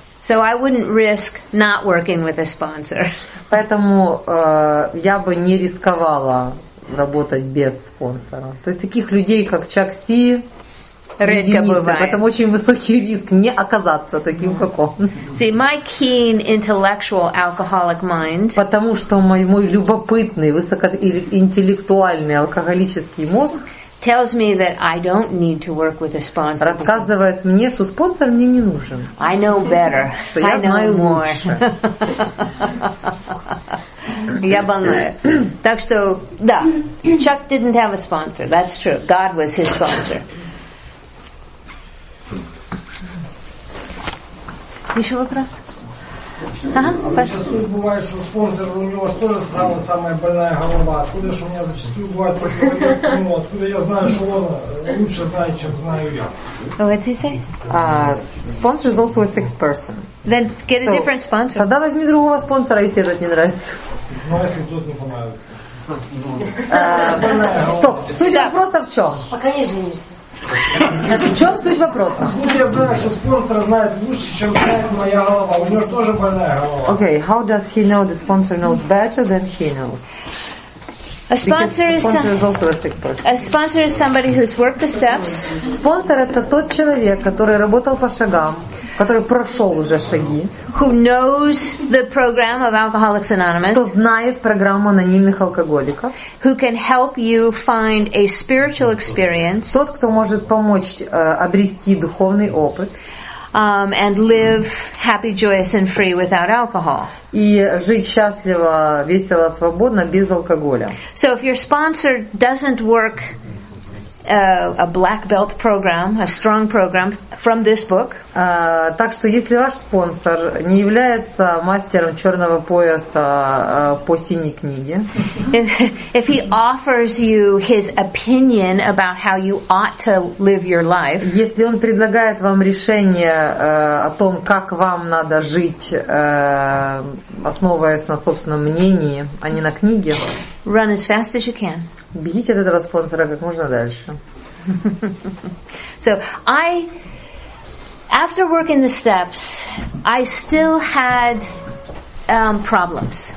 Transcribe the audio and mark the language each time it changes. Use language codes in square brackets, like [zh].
[en] So I wouldn't risk not working with a sponsor. [ru] Поэтому я бы не рисковала работать без спонсора. То есть таких людей, как Chuck C, редко бывает. Поэтому очень высокий риск не оказаться таким, как он. [en] See, my keen intellectual alcoholic mind. [ru] Потому что мой любопытный, высокоинтеллектуальный алкоголический мозг [en] tells me that I don't need to work with a sponsor. [ru] Рассказывает мне, что спонсор мне не нужен. [en] I know better. [ru] Что я знаю лучше. Я больная. Так что, да. [en] Chuck didn't have a sponsor. That's true. God was his sponsor. [ru] Еще вопрос? Зачастую бывает, что спонсор у него тоже самая больная голова. Откуда же у меня зачастую бывает противоречие к нему? Откуда я знаю, что он лучше знает, чем знаю я? [en] What's he say? Sponsor is also a sixth person. Then get a different sponsor. [ru] Тогда возьми другого спонсора, если этот не нравится. Ну, если тот не понравится. Стоп, суть вопроса в чем? Пока не женишься. В чем суть вопроса? Откуда я знаю, что спонсор знает лучше, чем знает моя голова? У него же тоже больная голова. [en] Okay, how does he know the sponsor knows better than he knows? A sponsor is somebody who's worked the steps. [ru] Спонсор это тот человек, который работал по шагам, который прошел уже шаги. [en] Who knows the program of Alcoholics Anonymous? [ru] Кто знает программу анонимных алкоголиков? [en] Who can help you find a spiritual experience? [ru] Тот, кто может помочь обрести духовный опыт. [en] And live happy, joyous, and free without alcohol. [ru] И жить счастливо, весело, свободно без алкоголя. [en] So if your sponsor doesn't work a black belt program, a strong program from this book. [ru] Так что если ваш спонсор не является мастером черного пояса по синей книге. [en] If he offers you his opinion about how you ought to live your life. [ru] Если он предлагает вам решение о том, как вам надо жить, основываясь на собственном мнении, а не на книге. [en] Run as fast as you can. [ru] Бегите от этого спонсора как можно дальше. [en] So I, after working the steps, I still had problems.